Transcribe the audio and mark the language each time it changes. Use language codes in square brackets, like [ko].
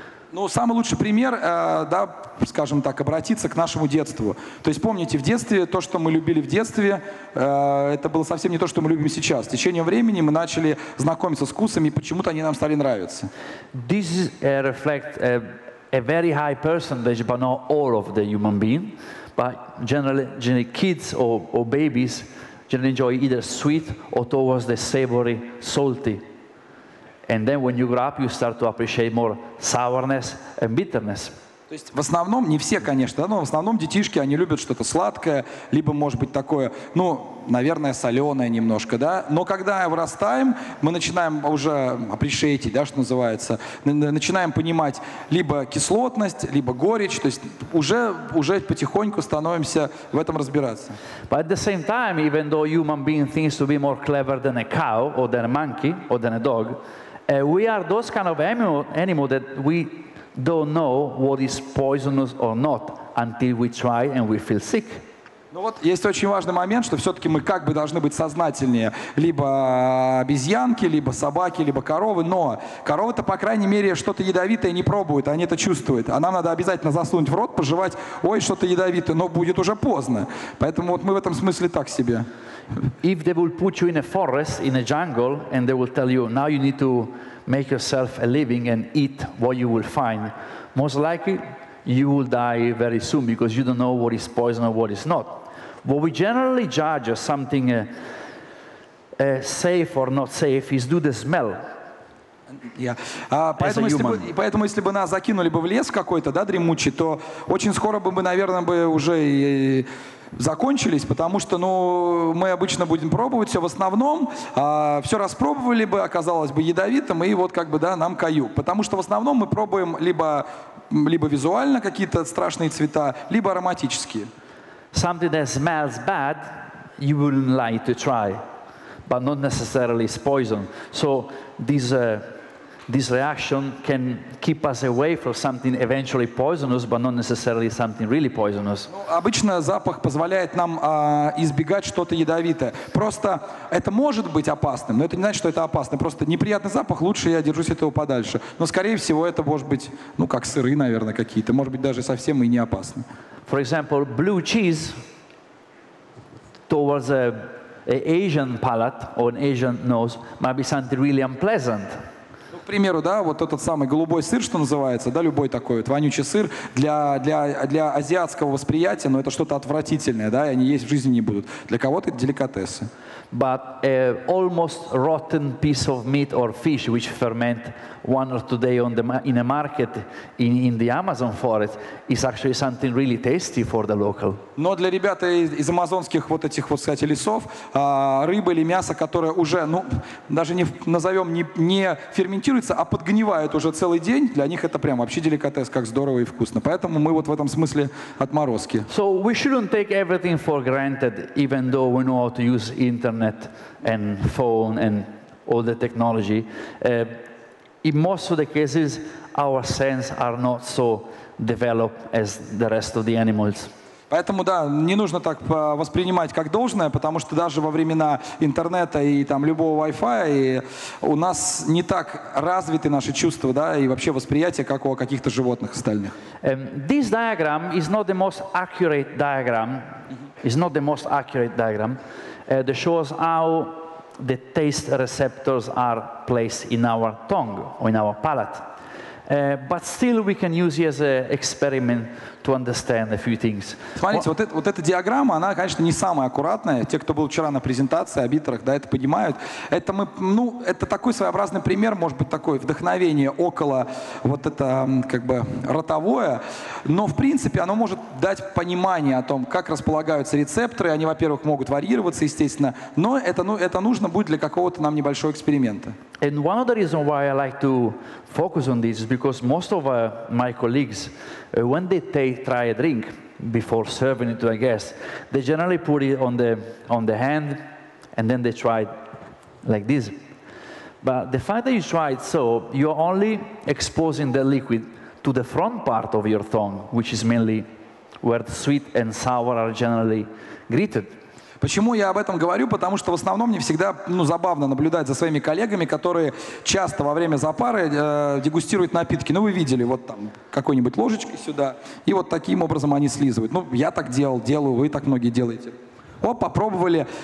[ru] Ну, самый лучший пример, да, скажем так, обратиться к нашему детству. То есть помните, в детстве то, что мы любили в детстве, это было совсем не то, что мы любим сейчас. С течением времени мы начали знакомиться с вкусами, и почему-то они нам стали нравиться. [en] This is a reflect a very high percentage, but not all of the human being. But generally kids or babies generally enjoy either sweet or towards the savory, salty. And then when you grow up, you start to appreciate more sourness and bitterness. [ru] То есть в основном, не все, конечно, но в основном детишки, они любят что-то сладкое, либо, может быть, такое, ну, наверное, соленое немножко, да. Но когда вырастаем, мы начинаем уже appreciate, да, что называется, начинаем понимать либо кислотность, либо горечь, то есть уже потихоньку становимся в этом разбираться. [en] But at the same time, even though human being thinks to be more clever than a cow, or than a monkey, or than a dog, we are those kind of animal that we don't know what is poisonous or not until we try and we feel sick. [ru] Ну вот есть очень важный момент, что все-таки мы как бы должны быть сознательнее, либо обезьянки, либо собаки, либо коровы. Но коровы-то по крайней мере что-то ядовитое не пробуют, они это чувствуют. А нам надо обязательно засунуть в рот, пожевать, ой, что-то ядовитое, но будет уже поздно. Поэтому вот мы в этом смысле так себе. [en] If they will put you in a forest, in a jungle, and they will tell you now you need to make yourself a living and eat what you will find, most likely you will die very soon because you don't know what is poison or what is not. What we generally judge as something safe or not safe is due to the smell. [ru] Поэтому, если бы нас закинули бы в лес какой-то, да, дремучий, то очень скоро бы мы, наверное, бы уже закончились, потому что, ну, мы обычно будем пробовать все в основном, все распробовали бы, оказалось бы ядовитым, и вот как бы, да, нам каюк. Потому что в основном мы пробуем либо визуально какие-то страшные цвета, либо ароматические. [en] Something that smells bad, you wouldn't like to try, but not necessarily is poison. So this reaction can keep us away from something eventually poisonous, but not necessarily something really poisonous. [ru] Обычно запах позволяет нам избегать что-то ядовитое. Просто это может быть опасным, но это не значит, что это опасно. Просто неприятный запах, лучше я держусь от этого подальше. Но, скорее всего, это может быть, ну, как сыры, наверное, какие-то. Может быть, даже совсем и не опасно. [en] For example, blue cheese towards an Asian palate or an Asian nose might be something really unpleasant. [ru] К примеру, да, вот этот самый голубой сыр, что называется, да, любой такой вот вонючий сыр для азиатского восприятия, но это что-то отвратительное, да, и они есть в жизни не будут. Для кого-то это деликатесы. [en] But almost rotten piece of meat or fish, which ferment one or two days in a market in the Amazon forest, is actually something really tasty for the local. [ru] Но для ребят из амазонских вот этих вот, кстати, лесов, рыба или мясо, которое уже, ну, даже не назовем, не ферментируется, а подгнивает уже целый день, для них это прям вообще деликатес, как здорово и вкусно. Поэтому мы вот в этом смысле отморозки. [en] So we shouldn't take everything for granted, even though we know how to use internet and phone and all the technology. In most of the cases, our senses are not so developed as the rest of the animals. [ru] Поэтому, да, не нужно так воспринимать как должное, потому что даже во времена интернета и там любого Wi-Fi у нас не так развиты наши чувства, да, и вообще восприятие, как у каких-то животных остальных. [en] This diagram is not the most accurate diagram. It's not the most accurate diagram. That shows how the taste receptors are placed in our tongue or in our palate. But still we can use it as an experiment to understand a few things. [ru] Смотрите, вот эта диаграмма, она, конечно, не самая аккуратная. Те, кто был вчера на презентации о битерах, да, это понимают. Это мы, ну, это такой своеобразный пример, может быть, такое вдохновение около вот это, как бы, ротовое. Но, в принципе, оно может дать понимание о том, как располагаются рецепторы. Они, во-первых, могут варьироваться, естественно. Но это нужно будет для какого-то нам небольшого эксперимента. [en] And one of the reasons why I like to focus on this is because most of my colleagues, when they try a drink before serving it to a guest, they generally put it on the hand and then they try it like this. But the fact that you try it so, you're only exposing the liquid to the front part of your tongue, which is mainly where the sweet and sour are generally greeted. [ru] Почему я об этом говорю? Потому что в основном мне всегда, ну, забавно наблюдать за своими коллегами, которые часто во время запары дегустируют напитки. Ну, вы видели, вот там какой-нибудь ложечкой сюда, и вот таким образом они слизывают. Ну, я так делаю, вы так многие делаете. Оп, попробовали.